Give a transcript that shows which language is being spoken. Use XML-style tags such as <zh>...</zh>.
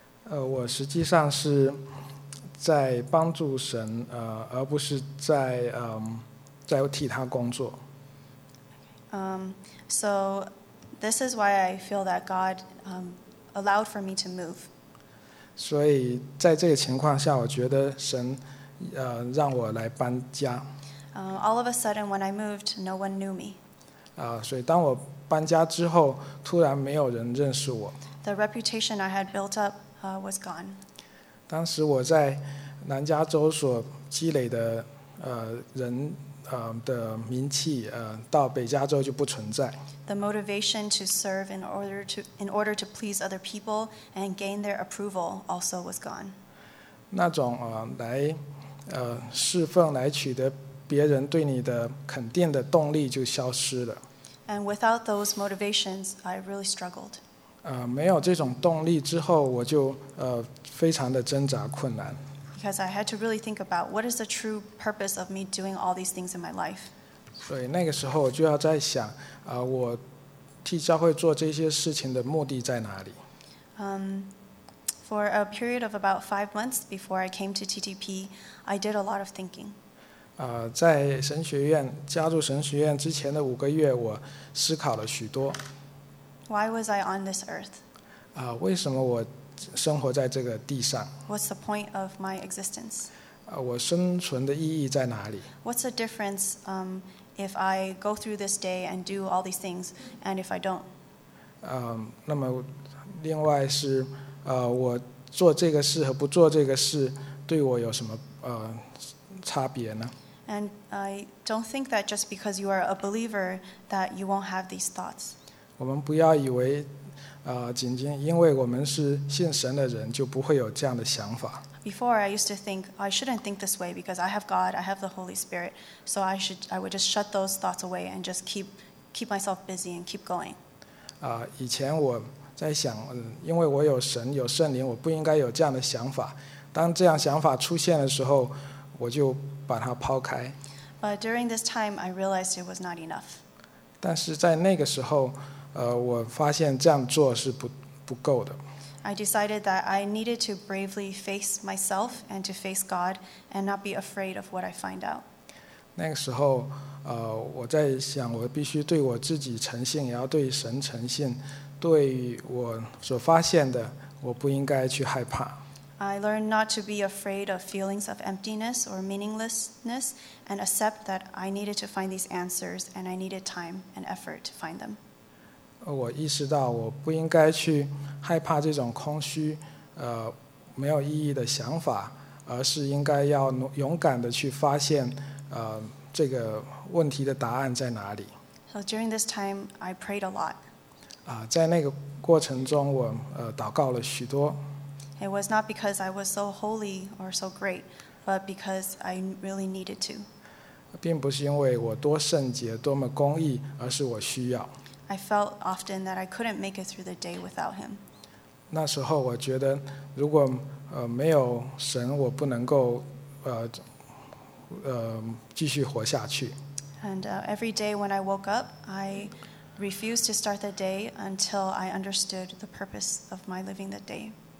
<zh>我实际上是在帮助神，而不是在在替他工作。</zh> <en>So this is why I feel that God allowed for me to move.</en> <zh>所以在这个情况下，我觉得神让我来搬家。</zh> <en>All of a sudden, when I moved, no one knew me.</en> <zh>所以当我搬家之后，突然没有人认识我。</zh> <en>The reputation I had built up was gone.</en> <zh>当时我在南加州所积累的人的名气到北加州就不存在。</zh> <en>The motivation to serve in order to please other people and gain their approval also was gone.</en> <zh>那种来侍奉来取得别人对你的肯定的动力就消失了。</zh> <en>And without those motivations, I really struggled.</en> <zh>没有这种动力之后，我就非常的挣扎困难。</zh> <en>Because I had to really think about what is the true purpose of me doing all these things in my life.</en> <zh>所以那个时候我就要在想，我替教会做这些事情的目的在哪里？</zh> <en>For a period of about 5 months before I came to TTP, I did a lot of thinking.</en> <zh>在神学院加入神学院之前的五个月，我思考了许多。</zh> <en>Why was I on this earth?</en> <zh>为什么我生活在这个地上？</zh> <en>What's the point of my existence?</en> <zh>我生存的意义在哪里？</zh> <en>What's the difference, if I go through this day and do all these things, and if I don't?</en> <zh>那么另外是，我做这个事和不做这个事对我有什么差别呢？</zh> <en>And I don't think that just because you are a believer that you won't have these thoughts.</en> <zh>我们不要以为，仅仅因为我们是信神的人就不会有这样的想法。</zh> <en>Before I used to think I shouldn't think this way because I have God, I have the Holy Spirit, so I would just shut those thoughts away and just keep myself busy and keep going.</en> <zh>以前我在想，因为我有神有圣灵，我不应该有这样的想法。当这样想法出现的时候，我就把它抛开。</zh> <en>But during this time, I realized it was not enough.</en> <zh>但是在那个时候，我发现这样做是不够的。</zh> <en>I decided that I needed to bravely face myself and to face God and not be afraid of what I find out.</en> <zh>那个时候，我在想，我必须对我自己诚信，也要对神诚信。对于我所发现的，我不应该去害怕。</zh> <en>I learned not to be afraid of feelings of emptiness or meaninglessness and accept that I needed to find these answers and I needed time and effort to find them.</en> <zh>我意识到我不应该去害怕这种空虚，没有意义的想法，而是应该要勇敢地去发现，这个问题的答案在哪里。</zh> <en>So during this time, I prayed a lot.</en> <zh>在那个过程中我祷告了许多。</zh> <en>It was not because I was so holy or so great, but because I really needed to.</en> <zh>并不是因为我多圣洁多么公义，而是我需要。</zh> <en>I felt often that I couldn't make it through the day without him.</en> <zh>那时候我觉得如果没有神我不能够继续活下去。</zh> <en>And every day when I woke up, I refused to start the day until I understood the purpose of my living the day.</en>